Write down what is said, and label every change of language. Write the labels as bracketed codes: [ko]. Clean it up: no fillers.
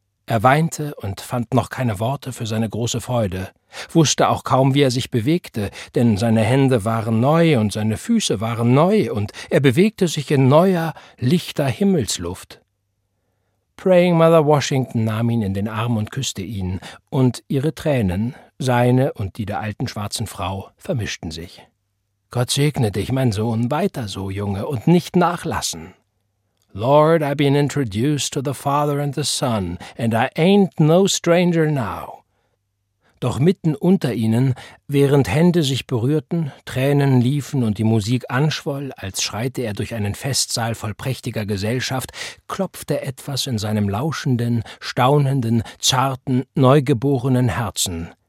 [de] Er weinte und fand noch keine Worte für seine große Freude, wusste auch kaum, wie er sich bewegte, denn seine Hände waren neu und seine Füße waren neu und er bewegte sich in neuer, lichter Himmelsluft. Praying Mother Washington nahm ihn in den Arm und küsste ihn, und ihre Tränen, seine und die der alten schwarzen Frau, vermischten sich. »Gott segne dich, mein Sohn, weiter so, Junge, und nicht nachlassen.« [en] Lord, I've been introduced to the Father and the Son, and I ain't no stranger now. [de] Doch mitten unter ihnen, während Hände sich berührten, Tränen liefen und die Musik anschwoll, als schreite er durch einen Festsaal voll prächtiger Gesellschaft, klopfte etwas in seinem lauschenden, staunenden, zarten, neugeborenen Herzen.